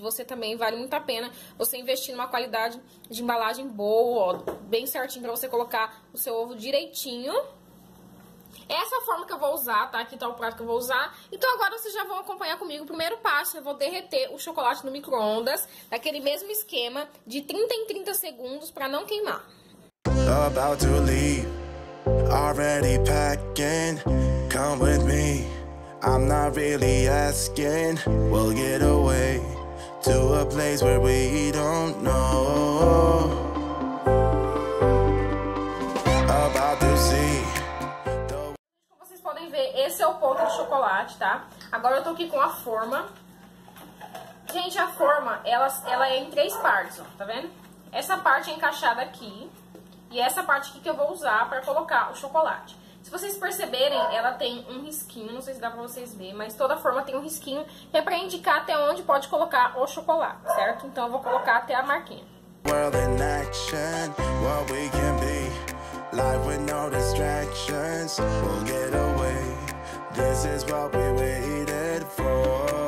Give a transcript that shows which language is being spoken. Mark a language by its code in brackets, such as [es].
[pt] Você também, vale muito a pena você investir numa qualidade de embalagem boa, ó, bem certinho pra você colocar o seu ovo direitinho. Essa é a forma que eu vou usar, tá? Aqui tá o prato que eu vou usar. Então agora vocês já vão acompanhar comigo. O primeiro passo, eu vou derreter o chocolate no micro-ondas, daquele mesmo esquema, de 30 em 30 segundos pra não queimar. [en] About to leave. Already packing, come with me. I'm not really asking. We'll get away to a place where we don't know. About to see. [pt] Como vocês podem ver, esse é o ponto de chocolate, tá? Agora eu tô aqui com a forma. Gente, a forma, ela é em três partes, ó, tá vendo? Essa parte é encaixada aqui. E essa parte aqui que eu vou usar pra colocar o chocolate. Se vocês perceberem, ela tem um risquinho, não sei se dá pra vocês ver, mas toda forma tem um risquinho, que é pra indicar até onde pode colocar o chocolate, certo? Então eu vou colocar até a marquinha. [en] World in action, what we can be. Life with no distractions, we'll get away. This is what we waited for.